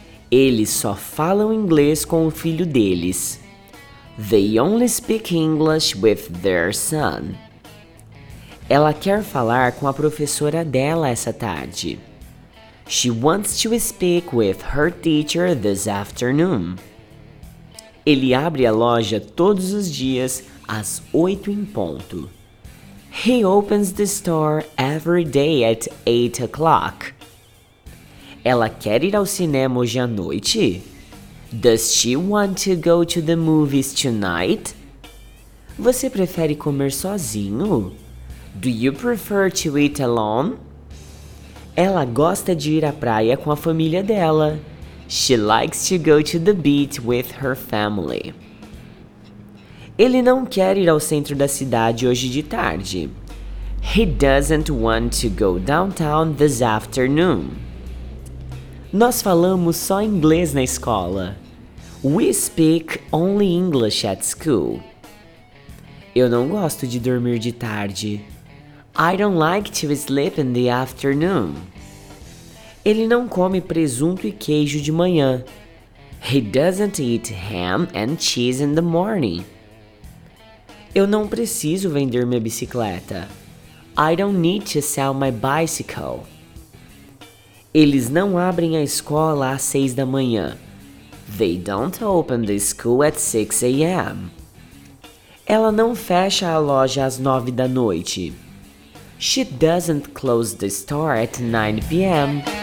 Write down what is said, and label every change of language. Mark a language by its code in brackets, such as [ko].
[pt] Eles só falam inglês com o filho deles. [en] They only speak English with their son. [pt] Ela quer falar com a professora dela essa tarde. [en] She wants to speak with her teacher this afternoon. [pt] Ele abre a loja todos os dias às 8 em ponto. [en] He opens the store every day at 8 o'clock. [pt] Ela quer ir ao cinema hoje à noite? [en] Does she want to go to the movies tonight? [pt] Você prefere comer sozinho? [en] Do you prefer to eat alone? [pt] Ela gosta de ir à praia com a família dela. [en] She likes to go to the beach with her family. [pt] Ele não quer ir ao centro da cidade hoje de tarde. [en] He doesn't want to go downtown this afternoon. [pt] Nós falamos só inglês na escola. [en] We speak only English at school. [pt] Eu não gosto de dormir de tarde. [en] I don't like to sleep in the afternoon. [pt] Ele não come presunto e queijo de manhã. [en] He doesn't eat ham and cheese in the morning. [pt] Eu não preciso vender minha bicicleta. [en] I don't need to sell my bicycle. [pt] Eles não abrem a escola às 6 da manhã. [en] They don't open the school at 6 a.m. [pt] Ela não fecha a loja às 9 da noite. [en] She doesn't close the store at 9 p.m.